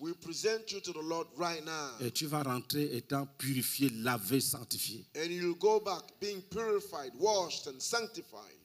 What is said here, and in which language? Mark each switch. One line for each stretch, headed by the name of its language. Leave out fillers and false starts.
English: We present you to the Lord right now.
French: Et tu vas rentrer étant purifié, lavé, sanctifié.
English: And you'll go back being purified, washed and sanctified.